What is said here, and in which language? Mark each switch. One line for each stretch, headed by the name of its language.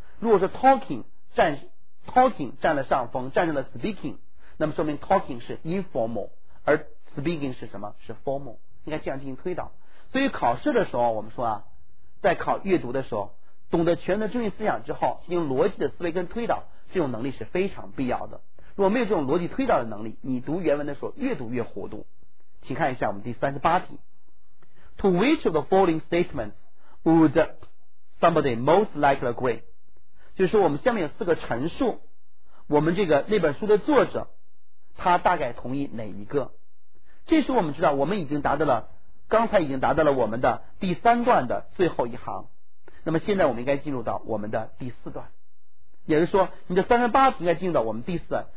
Chinese: 如果是 talking 占了上风，战胜了 speaking， 那么说明 talking 是 informal， 而 speaking 是什么？是 formal， 应该这样进行推导。所以考试的时候，我们说啊，在考阅读的时候，懂得全的中心思想之后，进行逻辑的思维跟推导，这种能力是非常必要的。如果没有这种逻辑推导的能力，你读原文的时候越读越糊涂。请看一下我们第38题，
English: To which of the following statements would somebody most likely agree？
Chinese: 就是我们下面有四个陈述，我们这个那本书的作者他大概同意哪一个。这时我们知道我们已经达到了，刚才已经达到了我们的第三段的最后一行，那么现在我们应该进入到我们的第四段，也就是说你的38应该进入到我们第四段。